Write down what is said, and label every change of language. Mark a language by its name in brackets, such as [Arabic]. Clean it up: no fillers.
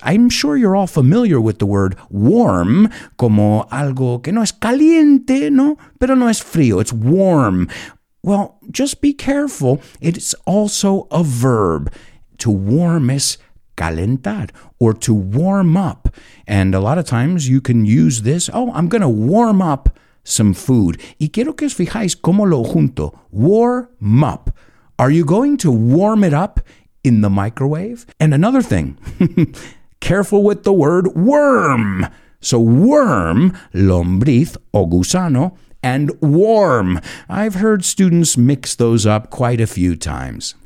[English] I'm sure you're all familiar with the word warm, [Spanish] como algo que no es caliente, no, pero no es frío. [English] It's warm. Well, just be careful. It's also a verb. To warm is calentar, or to warm up. And a lot of times you can use this. Oh, I'm going to warm up some food. [Spanish] Y quiero que os fijáis cómo lo junto. [English] Warm up. Are you going to warm it up in the microwave? And another thing, careful with the word worm. So worm, lombriz o gusano, and warm. I've heard students mix those up quite a few times.